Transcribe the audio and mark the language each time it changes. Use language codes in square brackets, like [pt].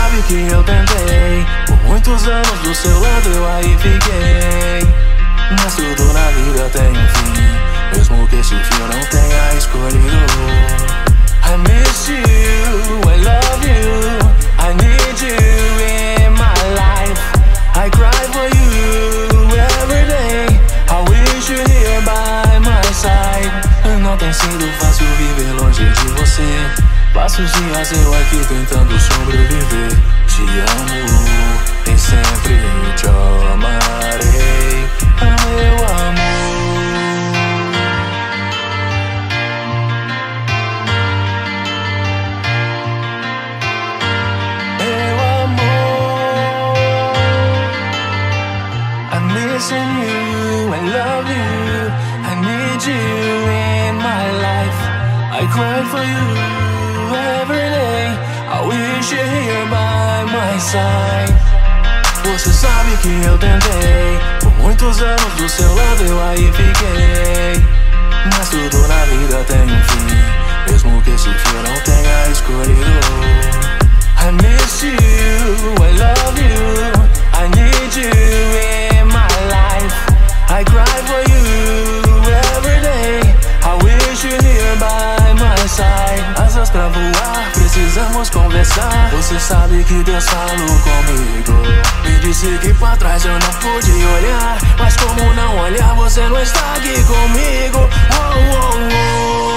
[pt] Eu tentei, por muitos anos do seu lado eu aí fiquei. Mas tudo na vida tem um fim, mesmo que esse fim eu não tenha escolhido. [en] I miss you, I love you, I need you in my life. I cry for you every day, I wish you here by my side. [pt] Não tem sido fácil viver longe de você. Passo os dias eu aqui tentando sobreviver. Te amo, e sempre te amarei. Meu amor, meu amor, [en] I'm missing you, I love you, I need you in my life. I cry for you every day, I wish you here by my side. [pt] Você sabe que eu tentei. Por muitos anos do seu lado eu aí fiquei. Mas tudo na vida tem um fim, mesmo que esse fim eu não tenha escolhido. [en] I miss you, I love you, I need you in my life. I cry for you every day, I wish you here by my side. [pt] Asas pra voar, precisamos conversar. Você sabe que Deus falou comigo. Me disse que pra trás eu não pude olhar. Mas como não olhar, você não está aqui comigo. Oh, oh, oh.